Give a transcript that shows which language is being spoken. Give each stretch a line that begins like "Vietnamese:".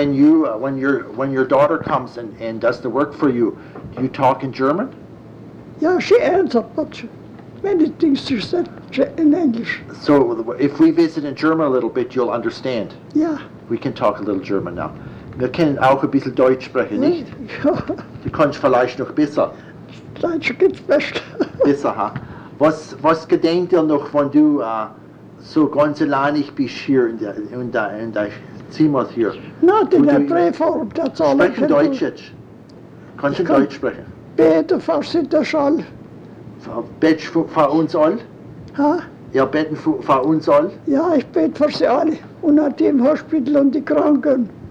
English: When your daughter comes and does the work for you, do you talk in German? Yeah, she answered, but many things she said in English. So if we visit in German a little bit, you'll understand. Yeah. We can talk a little German now.
German: Wir können auch ein bisschen Deutsch sprechen, nicht? Ja. Du kannst vielleicht noch besser. Deutsch geht's best. Besser, ha? Was gedenkt ihr noch, wenn du so ganz alleinig bist hier in der Zimmer hier.
English: Nothing, I pray for him, that's all I can do.
German: Deutsch jetzt? Kannst du Deutsch sprechen? Bete für uns all. Bete für uns all? Ha? Ja, beten für uns all? Ja, ich bete für sie alle. Und auch die im Hospital und die Kranken.